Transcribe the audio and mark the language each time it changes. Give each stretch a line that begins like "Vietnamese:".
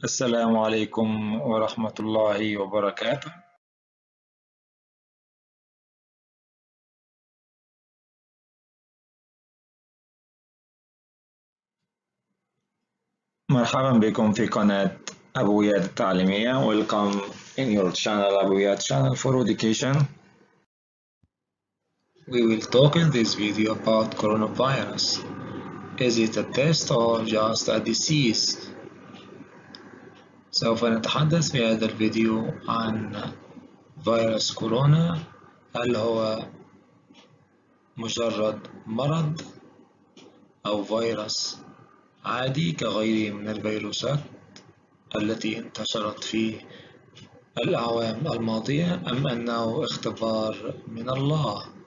Arabic: السلام عليكم ورحمة الله وبركاته. مرحبا بكم في قناة أبويات التعليمية.
English: Welcome in your channel أبويات channel for education. We will talk in this video about coronavirus. Is it a test or just a disease?
Arabic: سوف نتحدث في هذا الفيديو عن فيروس كورونا، هل هو مجرد مرض أو فيروس عادي كغيره من الفيروسات التي انتشرت في الأعوام الماضية أم أنه اختبار من الله؟